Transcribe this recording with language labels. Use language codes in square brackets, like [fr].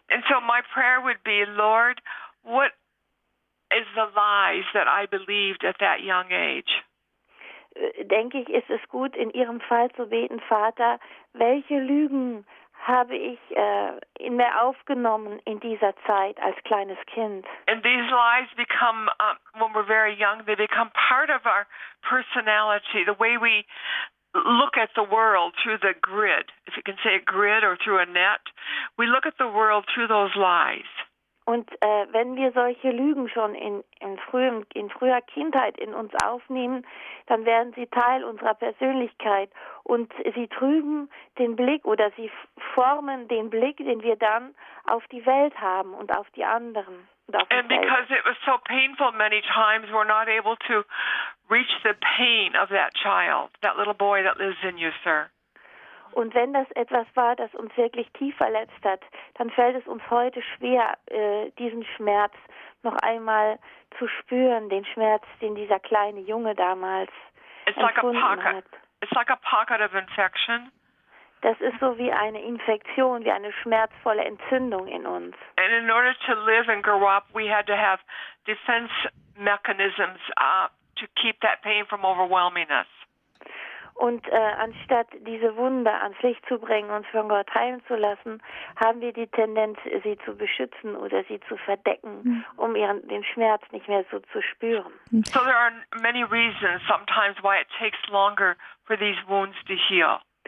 [en] And so my prayer would be, Lord, what is the lies that I believed at that young age? [de] Denke ich, ist es gut, in Ihrem Fall zu beten, Vater, welche Lügen habe ich in mir aufgenommen in dieser Zeit als kleines Kind? [en] And these lies become, when we're very young, they become part of our personality, the way we look at the world through the grid, if you can say a grid or through a net. We look at the world through those lies. [de] Und wenn wir solche Lügen schon in früher Kindheit in uns aufnehmen, dann werden sie Teil unserer Persönlichkeit und sie trüben den Blick oder sie formen den Blick, den wir dann auf die Welt haben und auf die anderen. [en] And because it was so painful many times, we're not able to reach the pain of that child, that little boy that lives in you, sir. [de] Und wenn das etwas war, das uns wirklich tief verletzt hat, dann fällt es uns heute schwer, diesen Schmerz noch einmal zu spüren, den Schmerz, den dieser kleine Junge damals empfunden hat. [en] It's like a pocket of infection. [de] Das ist so wie eine Infektion, wie eine schmerzvolle Entzündung in uns. [en] And in order to live and grow up, we had to have defense mechanisms to keep that pain from overwhelming us. [de] Und anstatt diese Wunde ans Licht zu bringen und von Gott heilen zu lassen, haben wir die Tendenz, sie zu beschützen oder sie zu verdecken, um den Schmerz nicht mehr so zu spüren. [en] So there are many reasons sometimes why it takes longer for these wounds to heal.